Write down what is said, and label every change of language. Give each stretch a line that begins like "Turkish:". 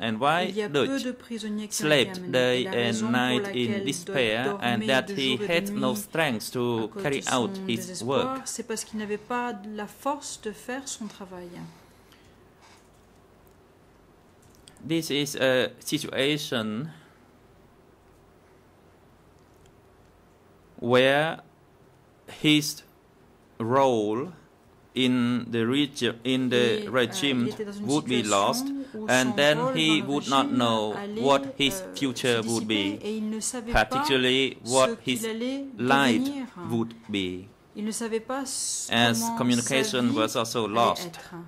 English: And why Deutsch slept day and night in despair and that he had no strength to carry out his work?
French: C'est parce qu'il n'avait pas la force de faire son travail.
English: This is a situation where his role in the regime would be lost, and then he would not know what his future would be, particularly what his life would be, as communication was also lost.